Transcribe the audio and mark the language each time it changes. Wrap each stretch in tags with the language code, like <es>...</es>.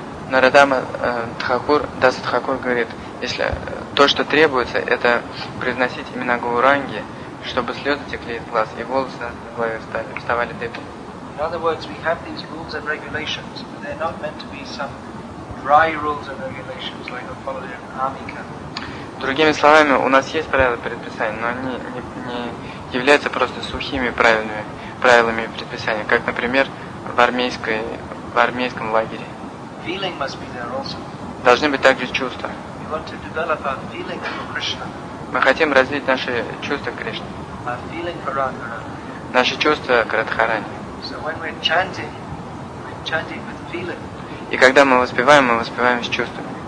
<ru>Нарадама Тхакур, Даса Тхакур говорит, если то, что требуется, это произносить имена Гауранги, чтобы слезы текли из глаз, и волосы на голове вставали дыбом.</ru> <en>In other words, we have these rules and regulations, but they're not meant to be some dry rules and regulations, like a following an army camp.</en> <ru>Другими словами, у нас есть правила и предписания, но они не являются просто сухими правилами и предписания, как, например, в армейском лагере.</ru> <en>Feeling must be there also.</en> <ru>Должны быть также чувства.</ru> <en>We want to develop our feeling for Krishna.</en> <ru>Мы хотим развить наши чувства к Кришне.</ru> <en>Our feeling for Radharani.</en> <ru>Наши чувства к Радхарани.</ru> <en>So when we're chanting with feeling.</en> <ru>И когда мы воспеваем с чувствами.</ru>